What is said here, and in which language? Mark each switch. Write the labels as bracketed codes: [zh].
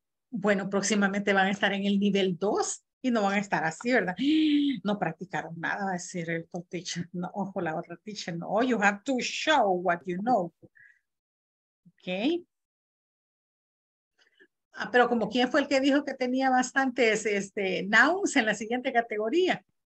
[es] Bueno, próximamente van a estar en el nivel 2 y no van a estar así, ¿verdad? No practicaron nada, va a decir el top teacher. No, ojo, la otra teacher. [en] No, you have to show what you know. Okay. [es] Ah, pero como quién fue el que dijo que tenía bastantes nouns en la siguiente categoría.